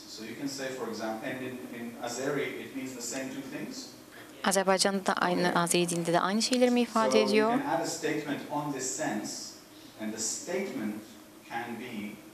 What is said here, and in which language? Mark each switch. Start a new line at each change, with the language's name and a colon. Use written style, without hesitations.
English: So you can say, for example, and in Azeri, it means the same two things.
Turkish: Azerbaycan'da da aynı, Azeri dilinde de aynı şeyleri mi ifade ediyor?
English: So you can add a statement on this sense, and the statement can be.